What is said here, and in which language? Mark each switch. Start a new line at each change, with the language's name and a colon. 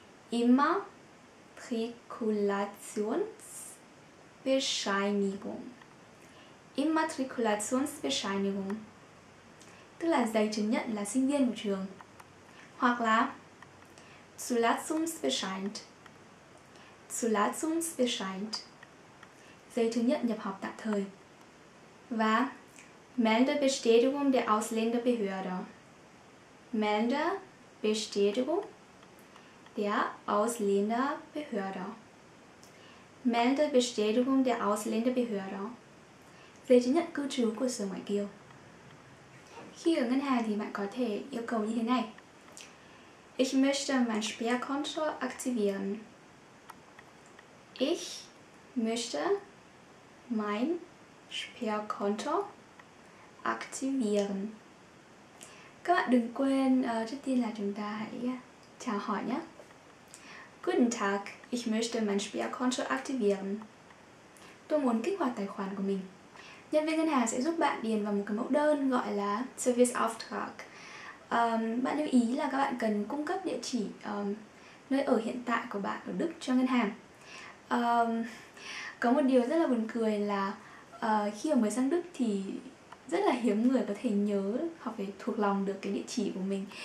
German: Immatrikulationsbescheinigung. Immatrikulationsbescheinigung.
Vietnamese: tức là giấy chứng nhận là sinh viên của trường, hoặc là Zulassungsbeschein. Zulassungsbeschein, giấy chứng nhận nhập học tạm thời.
German: Và Meldebestätigung der Ausländerbehörde. Meldebestätigung der Ausländerbehörde. Meldebestätigung der Ausländerbehörde,
Vietnamese: giấy chứng nhận cư trú của sở ngoại kiều. Khi ở ngân hàng thì bạn có thể yêu cầu như thế này:
German: Ich möchte mein Sparkonto aktivieren. Ich möchte mein Sparkonto aktivieren.
Vietnamese: Các bạn đừng quên, trước tiên là chúng ta hãy chào hỏi nhé.
German: Guten Tag, ich möchte mein Sparkonto aktivieren.
Vietnamese: Tôi muốn kích hoạt tài khoản của mình. Nhân viên ngân hàng sẽ giúp bạn điền vào một cái mẫu đơn gọi là Serviceauftrag. Bạn lưu ý là các bạn cần cung cấp địa chỉ nơi ở hiện tại của bạn ở Đức cho ngân hàng. Có một điều rất là buồn cười là khi ở mới sang Đức thì rất là hiếm người có thể nhớ hoặc phải thuộc lòng được cái địa chỉ của mình.